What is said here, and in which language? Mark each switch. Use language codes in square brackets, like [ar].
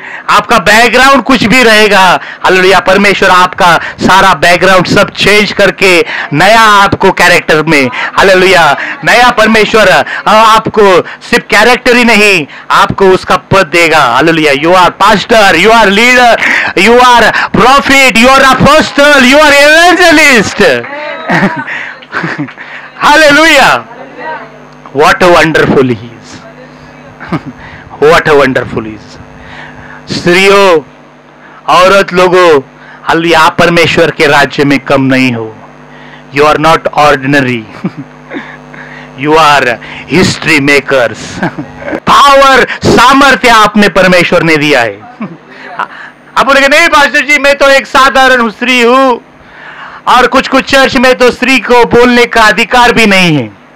[hi] आपका बैकग्राउंड कुछ भी रहेगा, हालेलुया, परमेश्वर आपका सारा बैकग्राउंड सब चेंज करके नया आपको कैरेक्टर में, हालेलुया, नया परमेश्वर आपको सिर्फ कैरेक्टर ही नहीं, आपको उसका पद देगा। [en] Hallelujah, you are pastor, you are leader, you are prophet, you are apostle, you are evangelist. Hallelujah, what a wonderful he is, what a wonderful is. [hi] स्त्रियों, औरत लोगों, हालेलुया, आप परमेश्वर के राज्य में कम नहीं हो। [en] You are not ordinary, you are history makers. [hi] Power, सामर्थ्य आपने परमेश्वर ने दिया है। आप बोले नहीं पास्टर जी, मैं तो एक साधारण स्त्री हूं, और कुछ कुछ चर्च में तो स्त्री को बोलने का अधिकार भी नहीं है।